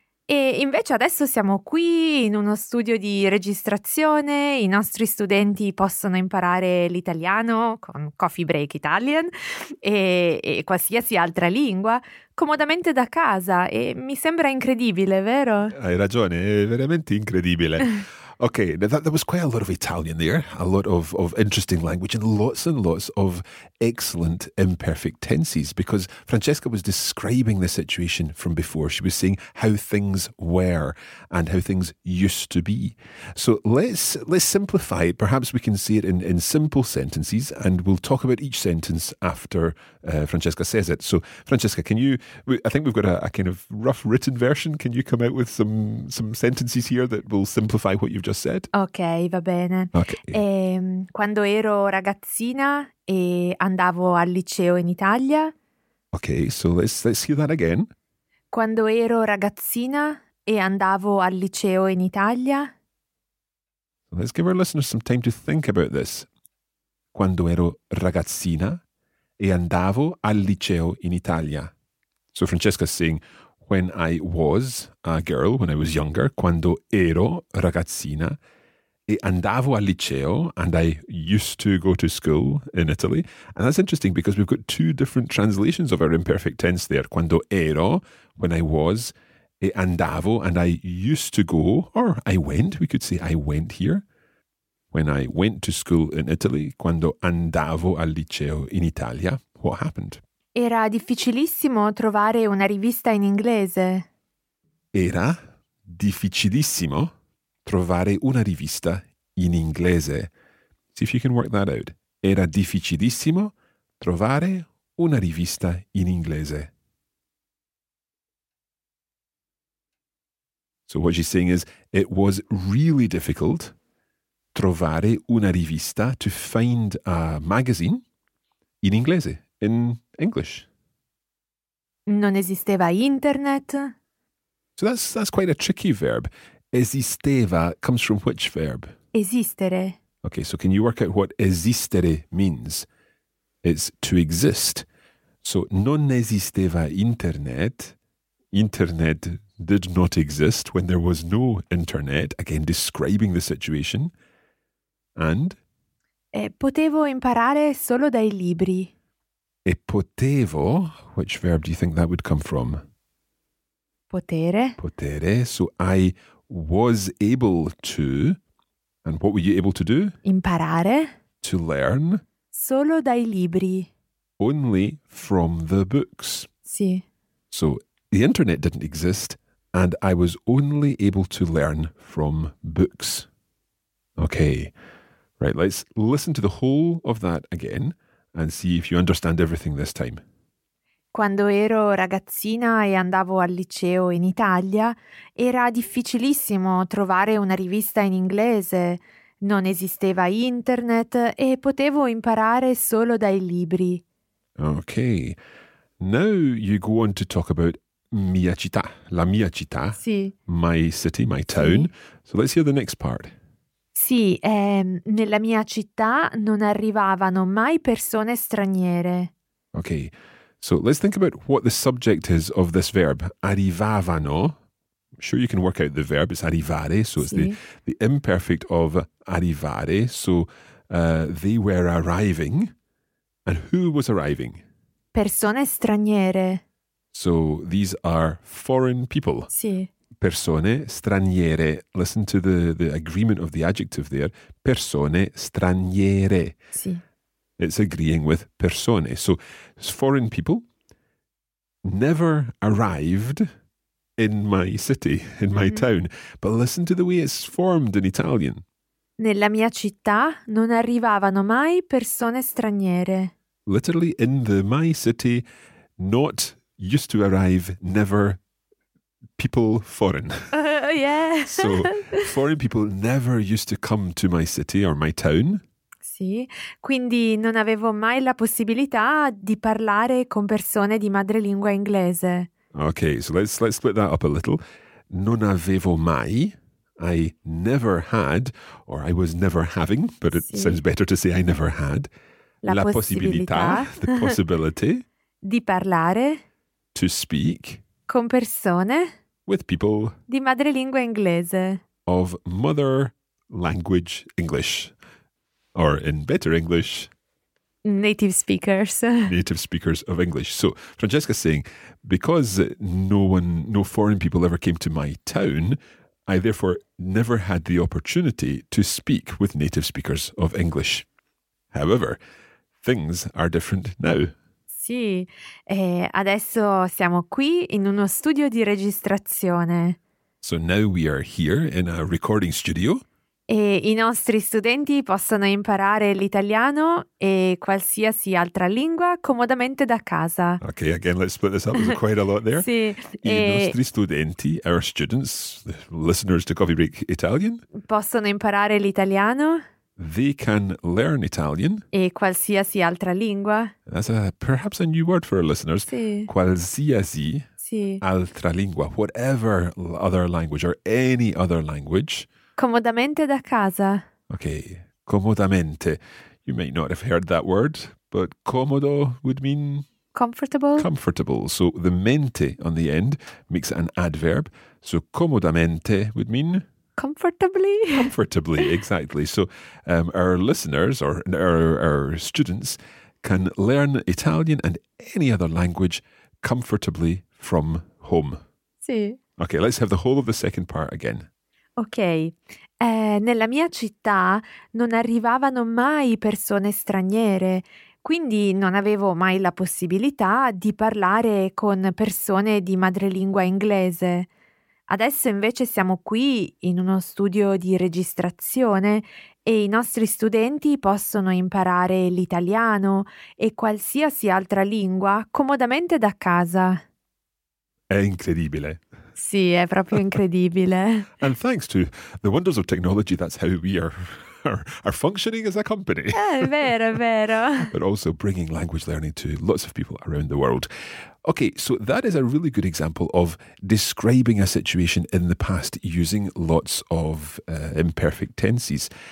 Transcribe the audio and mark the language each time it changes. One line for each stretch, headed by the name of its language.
Italian: E invece adesso siamo qui in uno studio di registrazione, i nostri studenti possono imparare l'italiano con Coffee Break Italian e qualsiasi altra lingua comodamente da casa. E mi sembra incredibile, vero? Hai ragione, è veramente incredibile.
English: Okay, now there was quite a lot of Italian there, a lot of interesting language, and lots of excellent imperfect tenses, because Francesca was describing the situation from before. She was saying how things were and how things used to be. So let's simplify it. Perhaps we can say it in simple sentences, and we'll talk about each sentence after Francesca says it. So Francesca, can you, I think we've got a kind of rough written version. Can you come out with some sentences here that will simplify what you've just said?
Italian: Ok, va bene.
English: Okay.
Italian: Quando ero ragazzina e andavo al liceo in Italia.
English: Okay, so let's hear that again.
Italian: Quando ero ragazzina e andavo al liceo in Italia.
English: Let's give our listeners some time to think about this.
Italian: Quando ero ragazzina e andavo al liceo in Italia.
English: So Francesca's saying, when I was a girl, when I was younger,
Italian: quando ero ragazzina e andavo al liceo,
English: and I used to go to school in Italy. And that's interesting because we've got two different translations of our imperfect tense there.
Italian: Quando ero,
English: when I was,
Italian: e andavo,
English: and I used to go, or I went, we could say I went here. When I went to school in Italy,
Italian: quando andavo al liceo in Italia,
English: what happened?
Italian: Era difficilissimo trovare una rivista in inglese. Era difficilissimo trovare una rivista in inglese.
English: See if you can work that out.
Italian: Era difficilissimo trovare una rivista in inglese.
English: So what she's saying is, it was really difficult
Italian: trovare una rivista,
English: to find a magazine
Italian: in inglese,
English: in English.
Italian: Non esisteva internet.
English: So that's quite a tricky verb. Esisteva comes from which verb?
Italian: Esistere.
English: Okay, so can you work out what esistere means? It's to exist. So
Italian: non esisteva internet.
English: Internet did not exist when there was no internet. Again, describing the situation. And?
Italian: Potevo imparare solo dai libri. E potevo,
English: which verb do you think that would come from?
Italian: Potere. Potere,
English: so I was able to, and what were you able to do?
Italian: Imparare
English: To learn
Italian: solo dai libri.
English: only from the books.
Italian: Sì.
English: So the internet didn't exist, and I was only able to learn from books. Okay, right, let's listen to the whole of that again and see if you understand everything this time.
Italian: Quando ero ragazzina e andavo al liceo in Italia, era difficilissimo trovare una rivista in inglese. Non esisteva internet e potevo imparare solo dai libri.
English: Okay, now you go on to talk about
Italian: mia città, la mia città, Sì.
English: my city, my town.
Italian: Sì.
English: So let's hear the next part.
Italian: Sì, nella mia città non arrivavano mai persone straniere.
English: Okay, so let's think about what the subject is of this verb. Arrivavano. I'm sure you can work out the verb. It's arrivare, so it's
Italian: Sì.
English: the imperfect of arrivare. So they were arriving, and who was arriving?
Italian: Persone straniere.
English: So these are foreign people.
Italian: Sì. Persone straniere.
English: Listen to the agreement of the adjective there.
Italian: Persone straniere. Sì.
English: It's agreeing with persone. So foreign people never arrived in my city, in my town. But listen to the way it's formed in Italian.
Italian: Nella mia città non arrivavano mai persone straniere.
English: Literally, in the my city, not used to arrive, never, people foreign. Yeah. So, foreign people never used to come to my city or my town.
Italian: Sì, quindi non avevo mai la possibilità di parlare con persone di madrelingua inglese.
English: Okay, so let's split that up a little.
Italian: Non avevo mai,
English: I never had, or I was never having, but it sounds better to say I never had,
Italian: la possibilità,
English: the possibility,
Italian: di parlare,
English: to speak,
Italian: con persone,
English: with people,
Italian: di madrelingua inglese,
English: of mother language English, or in better English, native speakers. Native speakers of English. So Francesca's saying, because no foreign people ever came to my town, I therefore never had the opportunity to speak with native speakers of English. However, things are different now.
Italian: Sì, e adesso siamo qui in uno studio di registrazione.
English: So now we are here in a recording studio.
Italian: E I nostri studenti possono imparare l'italiano e qualsiasi altra lingua comodamente da casa.
English: Okay, again, let's split this up. There's quite a lot there.
Italian: Sì. I nostri studenti,
English: our students, the listeners to Coffee Break Italian,
Italian: possono imparare l'italiano.
English: They can learn Italian.
Italian: E qualsiasi altra lingua.
English: That's perhaps a new word for our listeners.
Italian: Sì. Qualsiasi altra lingua,
English: whatever other language or any other language.
Italian: Comodamente da casa.
English: Okay, comodamente. You may not have heard that word, but comodo would mean... comfortable. Comfortable. So the mente on the end makes it an adverb. So comodamente would mean... comfortably. Comfortably, exactly. So our listeners or our students can learn Italian and any other language comfortably from home.
Italian: Sì.
English: Okay, let's have the whole of the second part again.
Italian: Ok, nella mia città non arrivavano mai persone straniere, quindi non avevo mai la possibilità di parlare con persone di madrelingua inglese. Adesso invece siamo qui in uno studio di registrazione e I nostri studenti possono imparare l'italiano e qualsiasi altra lingua comodamente da casa. È incredibile. Sì, è proprio incredibile.
English: And thanks to the wonders of technology, that's how we are functioning as a company.
Italian: È vero.
English: But also bringing language learning to lots of people around the world. Okay, so that is a really good example of describing a situation in the past using lots of imperfect tenses.